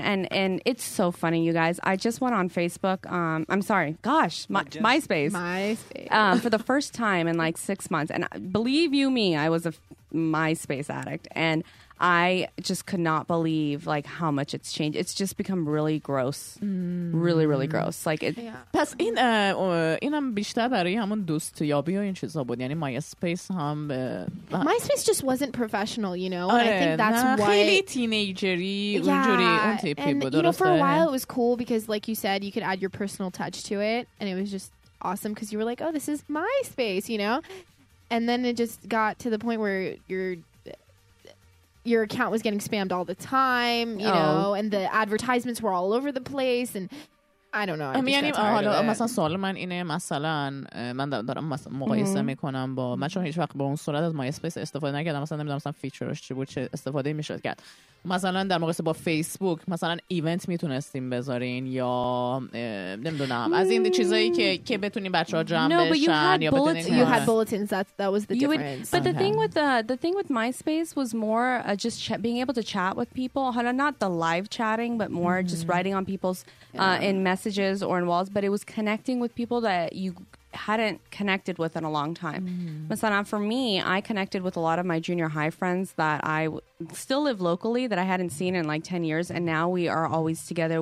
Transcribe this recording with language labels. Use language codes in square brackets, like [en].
[en] And it's so funny, you guys. I just went on Facebook. I'm sorry. Gosh, MySpace. MySpace. For the first time in like 6 months. And believe you me, I was a MySpace addict, and I just could not believe like how much it's changed. It's just become really gross, really, really gross. Like it. [fa] پس این اینم بیشتر برای همون دوستیابی و این چیزا بود. یعنی MySpace هم [en] MySpace just wasn't professional, you know. I think that's why [fa] خیلی تینیجری اونجوری اون تیپی بود. [en] You know, for a while it was cool because, like you said, you could add your personal touch to it, and it was just awesome because you were like, oh, this is MySpace, you know. And then it just got to the point where your account was getting spammed all the time, you know, and the advertisements were all over the place, and I don't know. I mean, [fa] حالا مثلا سوال من اینه، مثلا من دارم مثلا مقایسه میکنم با، من چون هیچ وقت با اون صورت از MySpace استفاده نکردم، مثلا نمیدونم مثلا فیچرش چی بود، چه استفاده میشد کرد. مثلا در مقایسه با فیسبوک، مثلا ایونت میتونستیم بذارین یا نمیدونم از این چیزایی که بتونین بچه‌ها جمع بشن. [en] No, but you had bulletins. That was the difference. The thing with MySpace was more just being able to chat with people. حالا not the live chatting, but more just writing on people's in messages or in walls, but it was connecting with people that you hadn't connected with in a long time. Masana, for me, I connected with a lot of my junior high friends that I still live locally that I hadn't seen in like 10 years, and now we are always together.